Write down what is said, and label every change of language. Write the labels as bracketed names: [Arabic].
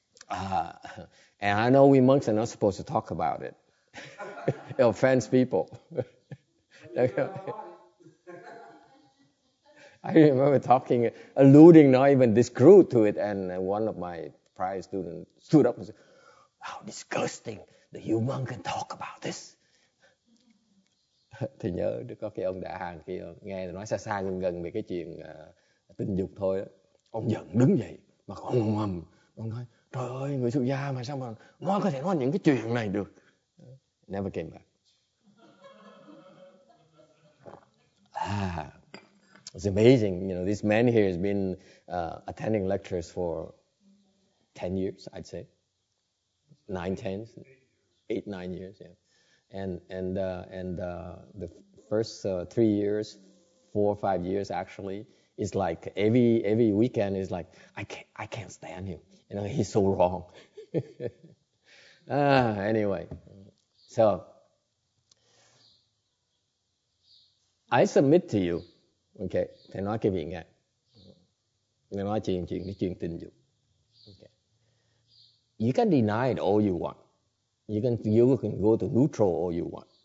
[English] And I know we monks are not supposed to talk about it. It offends people. I remember talking, alluding not even this crude to it, and one of my prior students stood up and said, "How disgusting that you monk can talk about this." [Vietnamese] Thì nhớ có cái ông đại hàng kia nghe nói xa xa gần gần về cái chuyện tình dục thôi đó. Ông giận đứng dậy mà còn ngầm. Ông nói, trời ơi, người xuất gia mà sao mà nó có thể nói những cái chuyện này được. [English] Never came back. It's amazing, you know, this man here has been attending lectures for 10 years, I'd say. 9 years, yeah. And the first 3 years, 4 or 5 years actually, is like every weekend is like I can't stand him. You know, he's so wrong. anyway, so I submit to you, okay? [Vietnamese] Thầy nói cái việc này, thầy nói chuyện tình dục. [English] Okay. You can deny it all you want. You can go to neutral all you want.